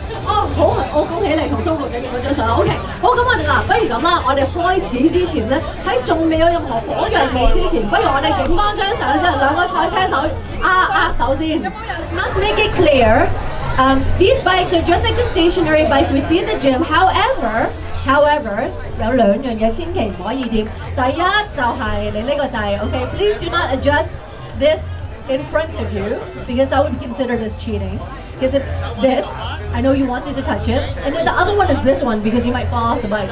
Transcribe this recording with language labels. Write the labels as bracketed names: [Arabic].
[Cantonese] 哦，好，我恭喜你同蘇局長影咗張相。OK， 好，咁我哋嗱，不如咁啦，我哋開始之前咧，喺仲未有任何火藥味之前，不如我哋影翻張相先，兩個賽車手握手先。 [English] Must make it clear， these bikes are just like the stationary bikes we see in the gym. However, [Cantonese] 有兩樣嘢千祈唔可以掂。第一就係你呢個掣 ，OK？ [English] Please do not adjust this in front of you because I would consider this cheating. Because if this, I know you wanted to touch it, and then the other one is this one because you might fall off the bike.